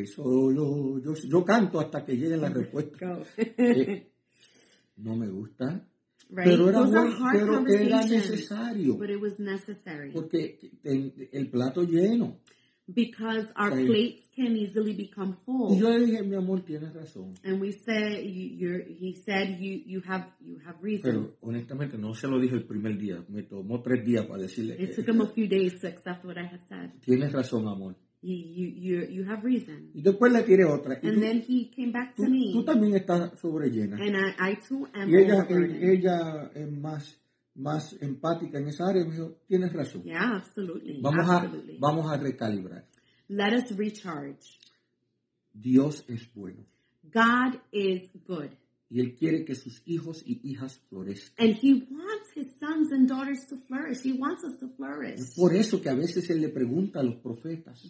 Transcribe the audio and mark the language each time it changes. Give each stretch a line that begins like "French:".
Spanish: Solo yo canto hasta que llegue la respuesta. No me gusta.
English: Right?
Spanish: Pero era
English: it was
Spanish: bueno,
English: a hard
Spanish: pero
English: conversation,
Spanish: era necesario.
English: But it was necessary.
Spanish: Porque el plato lleno.
English: Because our plates can easily become full.
Spanish: Y yo le dije, mi amor, tienes razón.
English: And we said, he said you have reason.
Spanish: Pero honestamente, no se lo dije el primer día. Me tomó tres días para decirle.
English: It took him a few days to accept what I had said.
Spanish: Tienes razón, amor.
English: You have reason.
Spanish: Y después le tiré otra.
English: And
Spanish: tú,
English: then he came back to
Spanish: tú,
English: me.
Spanish: Tú también estás sobrellena.
English: And I too am.
Spanish: Y ella es más empática en esa área, me dijo, tienes razón.
English: Yeah, absolutely.
Spanish: Vamos a recalibrar.
English: Let us recharge.
Spanish: Dios es bueno.
English: God is good.
Spanish: Y Él quiere que sus hijos y hijas florezcan. And He wants His sons and daughters to flourish. He wants us to flourish. Es por eso que a veces Él le pregunta a los profetas.